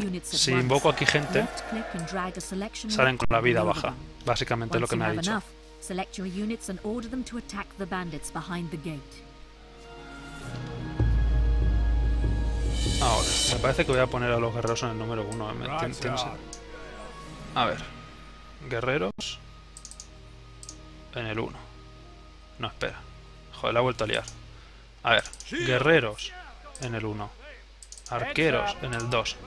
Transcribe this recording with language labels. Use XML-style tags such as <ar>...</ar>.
<es>Si invoco aquí gente, salen con la vida baja. Básicamente es lo que me ha dicho.</es> <en>Select your units and order them to attack the bandits behind the gate.</en> <es>Ahora, me parece que voy a poner a los guerreros en el número 1. A ver. Guerreros. En el 1. No, espera. Joder, la he vuelto a liar. A ver. Guerreros. En el 1. Arqueros. En el 2.</es>